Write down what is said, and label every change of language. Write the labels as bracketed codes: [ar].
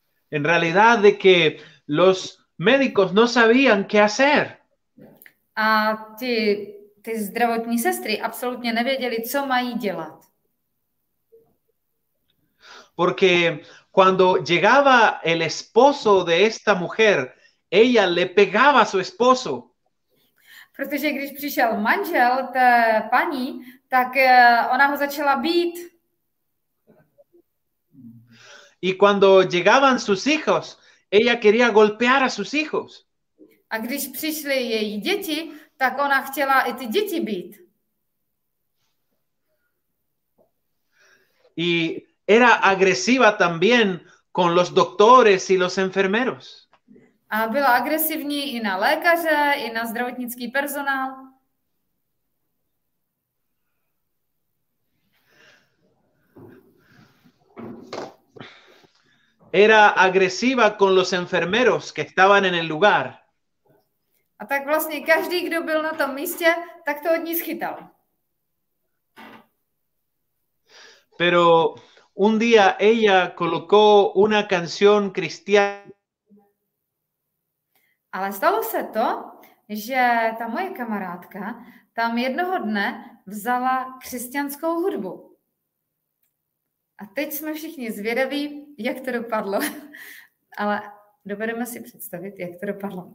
[es] En realidad de que los médicos no sabían qué hacer. [cs] A ty zdravotní sestry absolutně nevěděli, co mají dělat. [es] Porque cuando llegaba el esposo de esta mujer, ella le pegaba a su esposo. [cs] Protože když přišel manžel té paní, tak ona ho začala bít. [es] Y cuando llegaban sus hijos, ella quería golpear a sus hijos. [cs] A když přišly její děti, tak ona chtěla i ty děti bít. [es] Y era agresiva también con los doctores y los enfermeros. [cs] A byla agresivní i na lékaře, i na zdravotnický personál. [es] Era agresiva con los enfermeros que estaban en el lugar. [cs] A tak vlastně každý, kdo byl na tom místě, tak to od ní schytal. [es] Pero un día ella colocó una canción cristiana. [cs] Ale stalo se to, že ta moje kamarádka tam jednoho dne vzala křesťanskou hudbu. A teď jsme všichni zvědaví, jak to dopadlo. Ale dovedeme si představit, jak to dopadlo.